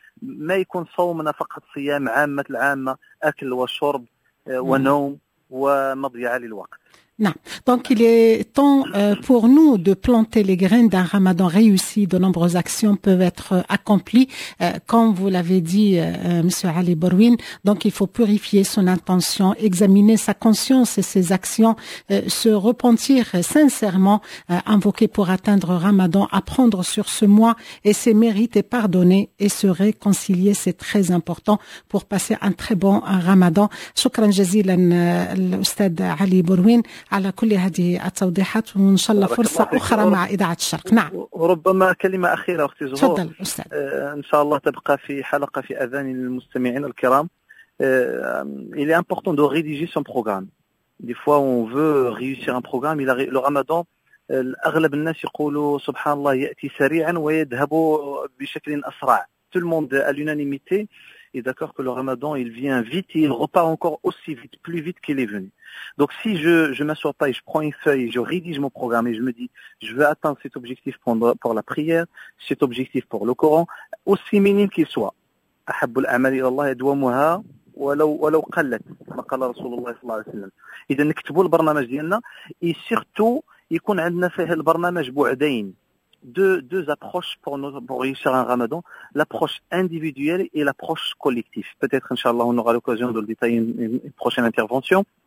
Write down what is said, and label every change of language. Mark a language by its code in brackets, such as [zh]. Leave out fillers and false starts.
[ar] ما يكون صومنا فقط صيام عامة العامة، أكل وشرب ونوم ومضيعة للوقت. [fr] Non. Donc il est temps pour nous de planter les graines d'un ramadan réussi. De nombreuses actions peuvent être accomplies, comme vous l'avez dit, Monsieur Ali Borouine. Donc il faut purifier son intention, examiner sa conscience et ses actions, se repentir sincèrement, invoquer pour atteindre ramadan, apprendre sur ce mois et ses mérites et pardonner et se réconcilier. C'est très important pour passer un très bon ramadan. [ar] Shukran jazilan, l'Oustad Ali Borouine. على كل هذه التوضيحات، وإن شاء الله فرصة أخرى مع إذاعة الشرق. نعم. وربما كلمة أخيرة أختي زهور. تفضل أستاذ. إن شاء الله تبقى في حلقة في أذان المستمعين الكرام. [fr] Il est important de rédiger son programme. Des fois on veut réussir un programme. Le Ramadan, [ar] أغلب الناس يقولوا سبحان الله يأتي سريعا ويذهب بشكل أسرع. [fr] Tout le monde à l'unanimité est d'accord que le ramadan, il vient vite et il repart encore aussi vite, plus vite qu'il est venu. Donc si je m'assois pas et je prends une feuille, je rédige mon programme et je me dis, je veux atteindre cet objectif pour la prière, cet objectif pour le Coran, aussi minime qu'il soit. [ar] أحب الأعمال إلى الله يدومها ولو قلت ما قال رسول الله صلى الله عليه وسلم. إذا نكتبوا البرنامج ديالنا، سيرتو يكون عندنا في البرنامج بعدين. [fr] Deux approches pour réussir un ramadan, l'approche individuelle et l'approche collective. Peut-être, Inch'Allah, on aura l'occasion de le détailler une prochaine intervention.